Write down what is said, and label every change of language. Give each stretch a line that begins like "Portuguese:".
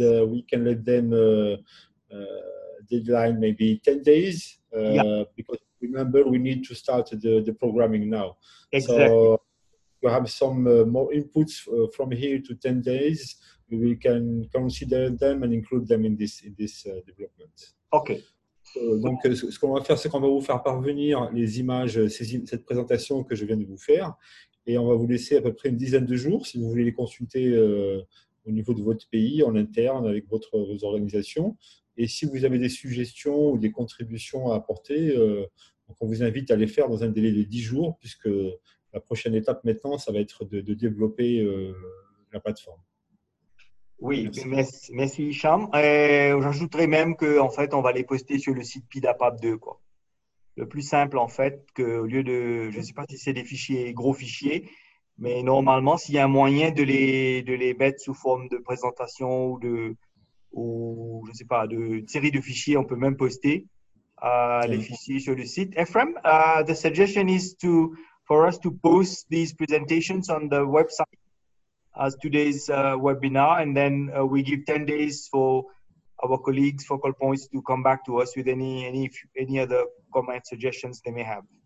English: And we can let them deadline maybe 10 days. Because remember, we need to start the programming now. Exactly. So we have some more inputs from here to 10 days. We can consider them and include them in this development. Okay.
French: Donc, ce qu'on va faire, c'est qu'on va vous faire parvenir les images, cette présentation que je viens de vous faire. Et on va vous laisser à peu près une dizaine de jours, si vous voulez les consulter au niveau de votre pays, en interne, avec vos organisations. Et si vous avez des suggestions ou des contributions à apporter, donc on vous invite à les faire dans un délai de 10 jours, puisque la prochaine étape maintenant, ça va être de développer la plateforme. Oui, merci Hicham. J'ajouterais même que en fait, on va les poster sur le site PIDAPAP 2, quoi. Le plus simple, en fait, que au lieu de, je ne sais pas si c'est des fichiers, gros fichiers, mais normalement, s'il y a un moyen de les mettre sous forme de présentation ou de série de fichiers, on peut même poster les fichiers sur le site.
English: Ephraim, the suggestion is to for us to post these presentations on the website as today's webinar, and then we give 10 days for our colleagues, focal points, to come back to us with any other comments, suggestions they may have.